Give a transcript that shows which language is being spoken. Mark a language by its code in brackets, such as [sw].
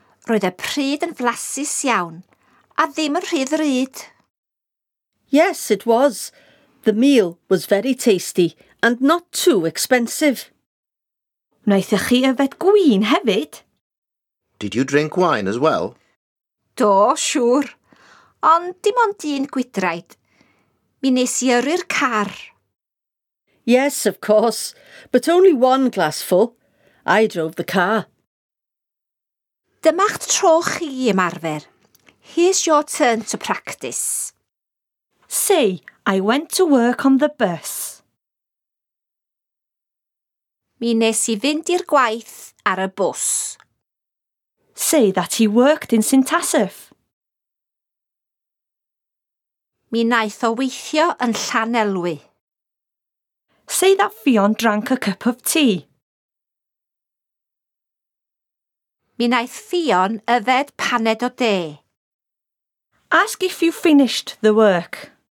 [cy] Roedd y pryd yn flasus iawn, a ddim yn rhydd ryd. [en] Yes, it was. The meal was very tasty and not too expensive. [cy] Wnaethoch chi yfed gwin hefyd? [en] Did you drink wine as well? [cy] Do, siŵr. Ond dim ond un gwydraid. Mi wnes I yrru'r car. [en] Yes, of course, but only one glass full. I drove the car. [cy] Dyma'ch tro chi, ymarfer. [en] Here's your turn to practice. Say, I went to work on the bus. [cy] Mi wnes I fynd i'r gwaith ar y bws. [en] Say that he worked in St Asaph. [cy] Mi wnaeth o weithio yn Llanelwy. [en] Say that Fion drank a cup of tea. [cy] Mi wnaeth Fion yfed paned o de. [en] Ask if you finished the work.